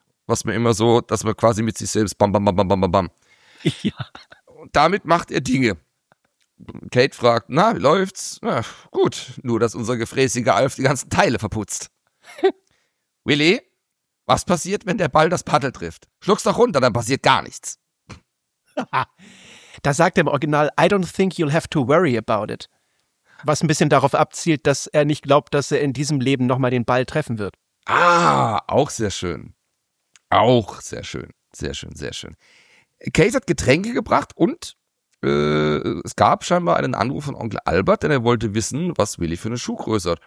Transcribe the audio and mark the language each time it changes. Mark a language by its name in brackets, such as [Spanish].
[German] Was man immer so, dass man quasi mit sich selbst bam, bam, bam, bam, bam, bam, bam. Ja. Und damit macht er Dinge. Kate fragt, na, wie läuft's? Na, gut, nur dass unser gefräßiger Alf die ganzen Teile verputzt. Willy, was passiert, wenn der Ball das Paddel trifft? Schluck's doch runter, dann passiert gar nichts. Da sagt er im Original, [English] I don't think you'll have to worry about it. [German] Was ein bisschen darauf abzielt, dass er nicht glaubt, dass er in diesem Leben nochmal den Ball treffen wird. Ah, auch sehr schön. Auch sehr schön. Sehr schön, sehr schön. Case hat Getränke gebracht und es gab scheinbar einen Anruf von Onkel Albert, denn er wollte wissen, was Willy für eine Schuhgröße hat.